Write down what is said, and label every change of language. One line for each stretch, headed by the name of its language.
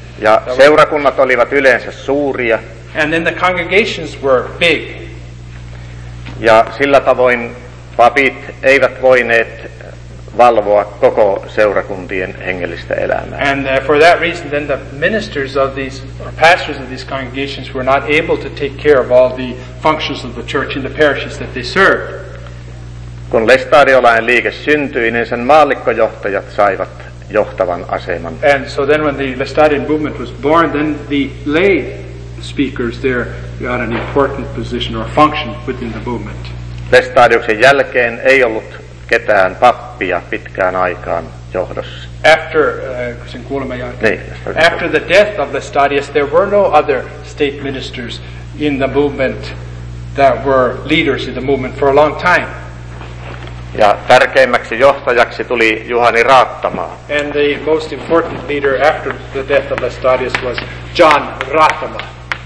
Finnish: Ja seurakunnat olivat yleensä suuria.
English: And then the congregations were big.
Finnish: Ja sillä tavoin papit eivät voineet valvoa koko seurakuntien hengellistä elämää.
English: And for that reason then the ministers of these or pastors of these congregations were not able to take care of all the functions of the church in the parishes that they served.
Finnish: Kun Lestadiolainen liike syntyi, niin sen maallikkojohtajat saivat johtavan aseman.
English: And so then when the Lestadian movement was born, then the lay speakers there got an important position or function within the movement.
Finnish: Lestadiuksen jälkeen ei ollut ketään pappia pitkään aikaan johdossa.
English: After
Finnish: sen kuulemme jälkeen.
English: Niin, after the death of Lestadius, there were no other state ministers in the movement that were leaders in the movement for a long time.
Finnish: Ja tärkeimmäksi johtajaksi tuli Juhani Raattamaa.
English: And the most important leader after the death of Lestadius was John Raattamaa.